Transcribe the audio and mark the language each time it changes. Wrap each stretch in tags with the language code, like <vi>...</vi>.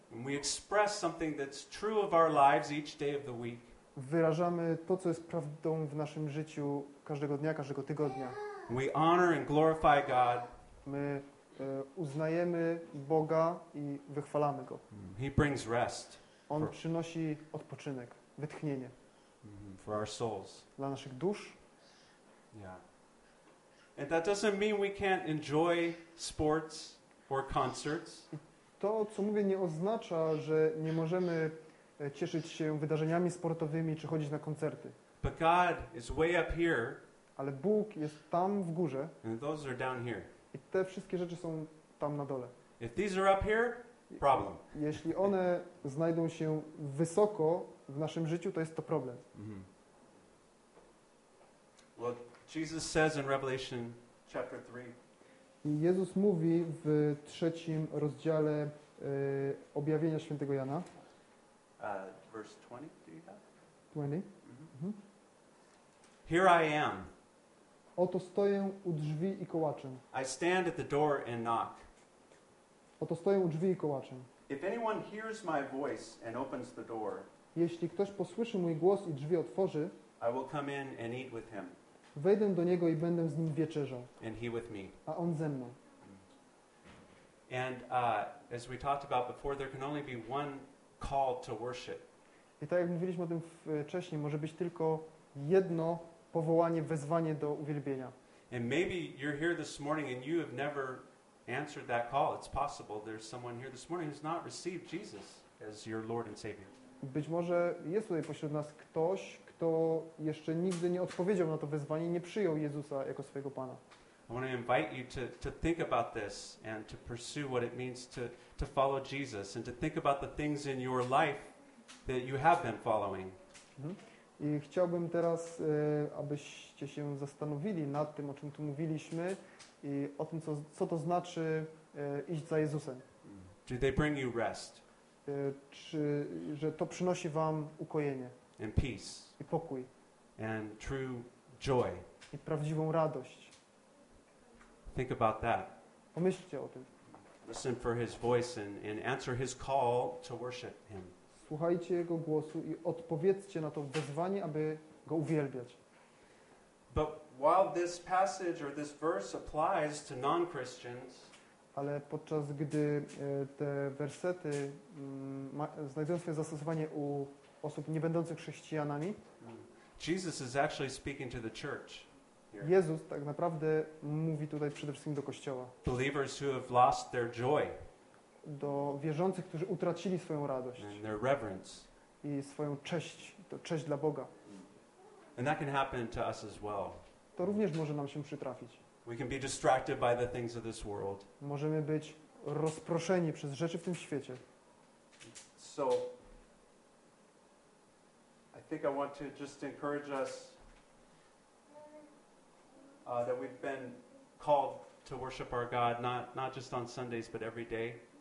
<en>and we express something that's true of our lives each day of the week,</en> <pl>wyrażamy to, co jest prawdą w naszym życiu każdego dnia, każdego tygodnia.</pl> <en>We honor and glorify God.</en> <pl>My uznajemy Boga i wychwalamy Go.</pl> <en>He brings rest.</en> <pl>On przynosi odpoczynek, wytchnienie.</pl> <en>For our souls.</en> <pl>Dla naszych dusz.</pl> <en>Yeah. And that doesn't mean we can't enjoy sports or concerts.</en> <pl>To, co mówię, nie oznacza, że nie możemy cieszyć się wydarzeniami sportowymi czy chodzić na koncerty.</pl> <en>But God is way up here.</en> <pl>Ale Bóg jest tam w górze.</pl> <en>And those are down here.</en> <pl>I te wszystkie rzeczy są tam na dole.</pl> <en>If these are up here, problem.</en> <pl>Jeśli one znajdą się wysoko w naszym życiu, to jest to problem.</pl> <en>Well, Jesus says in Revelation chapter 3.</en> <pl>Jezus mówi w trzecim rozdziale objawienia Świętego Jana.</pl> <en>Verse 20, do you have? 20. Here I am.</en> <pl>Oto stoję u drzwi i kołaczę.</pl> <en>I stand at the door and knock.</en> <pl>Oto stoję u drzwi i kołaczę.</pl> <en>If anyone hears my voice and opens the door,</en> <pl>jeśli ktoś posłyszy mój głos i drzwi otworzy,</pl> <en>I will come in and eat with him.</en> <pl>Wejdę do niego i będę z nim wieczerzał.</pl> <en>And he with me.</en> <pl>A on ze mną.</pl> <en>And as we talked about before, there can only be one call to worship.</en> <pl>I tak jak mówiliśmy o tym wcześniej, może być tylko jedno powołanie, wezwanie do uwielbienia.</pl> <en>And maybe you're here this morning and you have never answered that call. It's possible there's someone here this morning who's not received Jesus as your Lord and Savior.</en> <pl>Być może jest tutaj pośród nas ktoś, kto jeszcze nigdy nie odpowiedział na to wezwanie, nie przyjął Jezusa jako swojego Pana.</pl> <en>I want to invite you to think about this and to pursue what it means to follow Jesus and to think about the things in your life that you have been following.</en> <pl>I chciałbym teraz, abyście się zastanowili nad tym, o czym tu mówiliśmy i o tym, co to znaczy iść za Jezusem.</pl> <en>Do they bring you rest?</en> <pl>Czy że to przynosi wam ukojenie?</pl> <en>And peace.</en> <pl>I pokój.</pl> <en>And true joy.</en> <pl>I prawdziwą radość.</pl> <en>Think about that.</en> <pl>Pomyślcie o tym.</pl> <en>listen for his voice and answer his call to worship him.</en> <pl>Słuchajcie jego głosu i odpowiedzcie na to wezwanie, aby go uwielbiać.</pl> <en>But while this passage or this verse applies to non-Christians,</en> <pl>ale podczas gdy te wersety znajdują swoje zastosowanie u osób nie będących chrześcijanami,</pl> <en>Jesus is actually speaking to the church.</en> <pl>Jezus tak naprawdę mówi tutaj przede wszystkim do Kościoła.</pl> <en>Believers who have lost their joy.</en> <pl>Do wierzących, którzy utracili swoją radość.</pl> <en>And their reverence.</en> <pl>I swoją cześć, to cześć dla Boga.</pl> <en>And that can happen to us as well.</en> <pl>To również może nam się przytrafić.</pl> <en>We can be distracted by the things of this world.</en> <pl>Możemy być rozproszeni przez rzeczy w tym świecie.</pl> <en>So, I think I want to just encourage us that we've been called to worship our God not just on Sundays, but every day.</en>